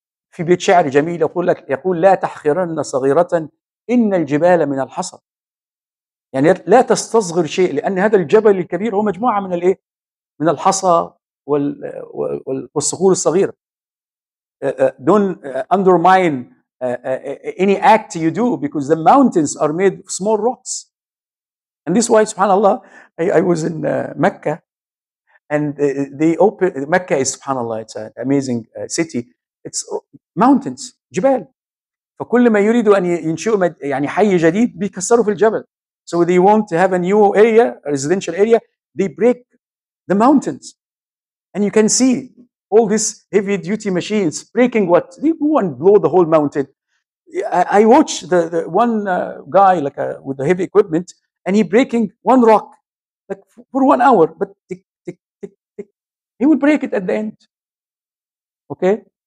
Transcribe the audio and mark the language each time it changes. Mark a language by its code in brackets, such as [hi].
[ar] في بيت شعر جميل يقول لك يقول لا تحقرن صغيرة إن الجبال من الحصر. يعني لا تستصغر شيء لأن هذا الجبل الكبير هو مجموعة من الإيه؟ من الحصى والصخور الصغيرة. [en] Don't undermine any act you do because the mountains are made of small rocks. And this is why, subhanAllah, I was in Mecca and they open Mecca is, subhanAllah, it's an amazing city. It's mountains, جبال. [ar] فكل ما يريدوا أن ينشئوا يعني حي جديد بيكسروا في الجبل. [en] So they want to have a new area, a residential area, they break the mountains. And you can see all these heavy duty machines breaking what? They go and blow the whole mountain. I watched the one guy like with the heavy equipment and he breaking one rock like for 1 hour, but tick, tick, tick, tick. He would break it at the end. Okay?